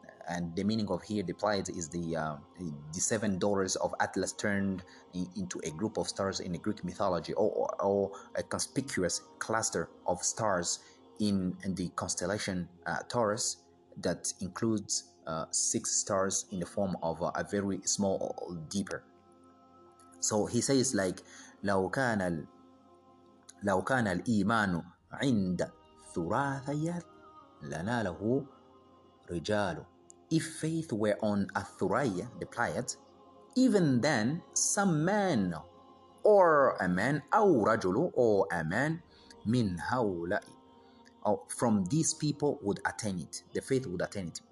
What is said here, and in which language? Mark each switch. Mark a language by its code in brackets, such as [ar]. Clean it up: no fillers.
[en] And the meaning of here deployed is the seven daughters of Atlas turned into a group of stars in the Greek mythology, or a conspicuous cluster of stars in the constellation Taurus, that includes six stars in the form of a very small dipper. [ar] So he says, like, لو كان الإيمان عند ثراثي لناله رجال. [en] If faith were on Athuraya, the Pleiad, even then some man, or a man, [ar] أو رجل, [en] or a man, [ar] من هؤلاء, [en] from these people would attain it. The faith would attain it.